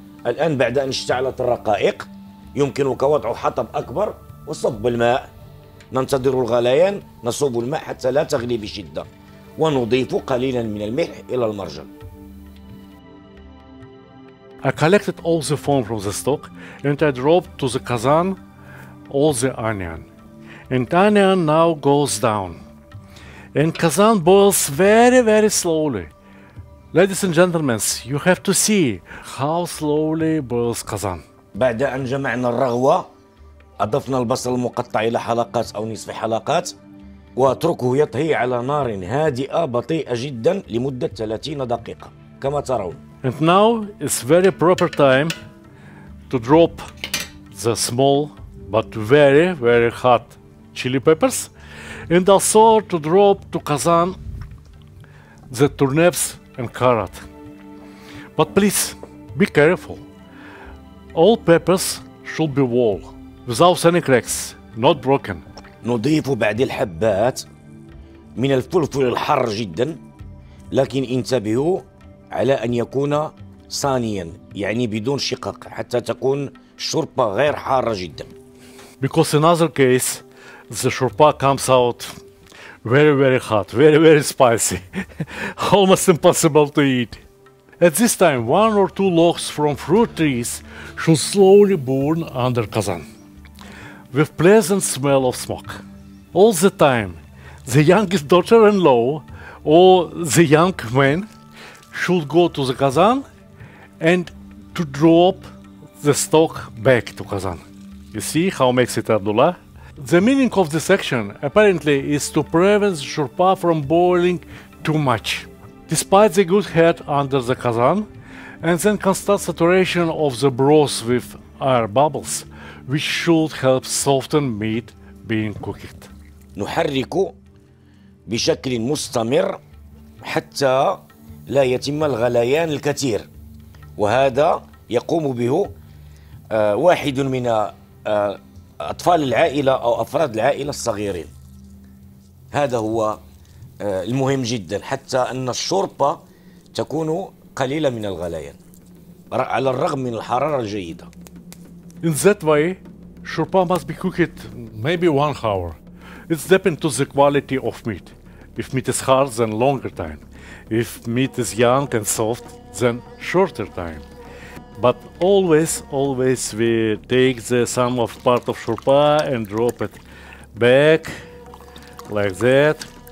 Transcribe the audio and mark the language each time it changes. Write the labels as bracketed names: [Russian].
[Arabic] الآن بعد أن اشتعلت الرقائق يمكنك وضع حطب أكبر وصب الماء. ننتظر الغليان، نصب الماء حتى لا تغلي بشدة ونضيف قليلا من الملح إلى المرجل. [English] I collected all the foam from the stock and I dropped to the kazan all the onion. And onion now goes down. And kazan boils very, very slowly. Ladies and gentlemen, you have to see how slowly boils kazan. [Arabic] بعد أن جمعنا الرغوة أضفنا البصل المقطع إلى حلقات أو نصف حلقات وأتركه يطهي على نار هادئة بطيئة جدا لمدة 30 دقيقة كما ترون. [English] And now is very proper time to drop the small but very, very hot chili peppers and also to drop to kazan the turnips and carrot. But please be careful. All peppers should be whole, without any cracks, not broken. [Arabic] نضيف بعد الحبات من الفلفل الحار جدا لكن انتبهوا على أن يكون صانيا يعني بدون شقق حتى تكون الشوربة غير حارة جدا. [English] Because in other case the shurpa comes out very very hot, very very spicy, almost impossible to eat. At this time one or two logs from fruit trees should slowly burn under kazan with pleasant smell of smoke. All the time the youngest daughter-in-law or the young man should go to the kazan and to drop the stock back to kazan. You see how makes it Abdullah? The meaning of this action apparently is to prevent the shurpa from boiling too much. Despite the good heat under the kazan and then constant saturation of the broth with air bubbles, which should help soften meat being cooked. [Arabic] نحرك بشكل مستمر حتى لا يتم الغليان الكثير وهذا يقوم به واحد من أطفال العائلة أو أفراد العائلة الصغيرين. هذا هو المهم جدا حتى أن الشوربة تكون قليلة من الغليان على الرغم من الحرارة الجيدة. [English] In that way, shurpa must be cooked maybe 1 hour. It's depend to the quality of meat. If meat is hard, then longer time. If meat is young and soft, then shorter time. But always, always we take the some of part of shurpa and drop it back like that.